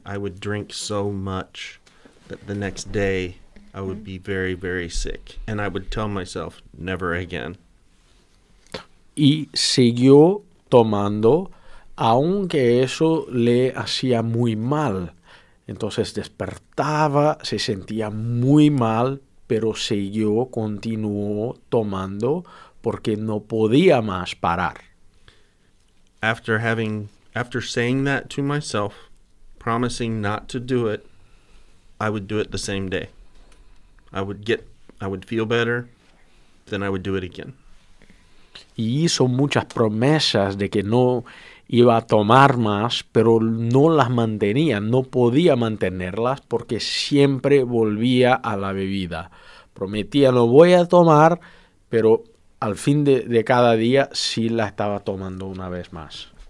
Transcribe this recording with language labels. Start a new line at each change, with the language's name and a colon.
English: I would drink so much that the next day I would be very, very sick. And I would tell myself, never again.
Spanish: Y siguió tomando, aunque eso le hacía muy mal. Entonces despertaba, se sentía muy mal, pero continuó tomando porque no podía más parar.
English: After saying that to myself, promising not to do it, I would do it the same day. I would feel better, then I would do it again.
Spanish: Y hizo muchas promesas de que no iba a tomar más, pero no las mantenía, no podía mantenerlas porque siempre volvía a la bebida. Prometía, no voy a tomar, pero al fin de cada día sí la estaba tomando una vez más.